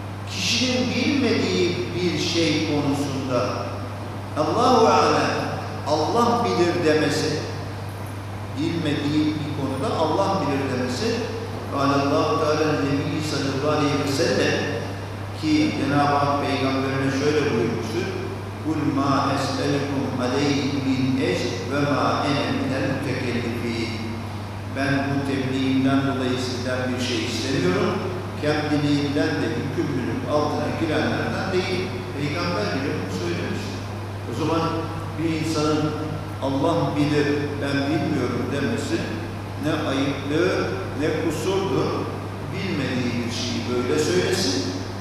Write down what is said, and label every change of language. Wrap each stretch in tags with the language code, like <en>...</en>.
<tr>Kişinin bilmediği bir şey konusunda Allahu a'lem, Allah bilir demesi, bilmediği bir konuda Allah bilir demesi,</tr> <ar>قَالَ اللّٰهُ تَعَلَى النَّبِيِّ صَلَى اللّٰهُ</ar> <tr>ki Cenab-ı Hak Peygamberine şöyle buyurmuştur.</tr> <ar>قُلْ مَا أَسْأَلُكُمْ عَلَيْهِ مِنْ اَجْرٍ وَمَا اَنَا مِنَ الْمُتَكَلِّفِينَ</ar> <tr>ben bu tebliğimden dolayı sizden bir şey istemiyorum. Kendiliğimden de hükümlülük altına girenlerden değil. Peygamber bile bunu söylemiş. O zaman bir insanın Allah bilir, ben bilmiyorum demesi ne ayıplı, ne kusurdur, bilmediği bir şeyi böyle söylesin.</tr>